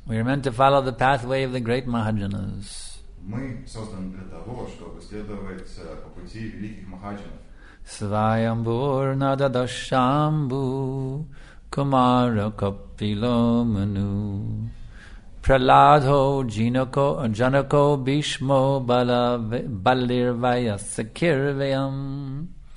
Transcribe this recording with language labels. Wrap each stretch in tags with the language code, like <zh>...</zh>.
<en>We are meant to follow the pathway of the great Mahajanas.</en> <ru>Мы созданы для того, чтобы следовать по пути великих Махаджанов.</ru> <sa>Свайамбур нададашамбу кумара капило муну Prahlado jinako janako bhishmo balirvaya sakirvayam.</sa>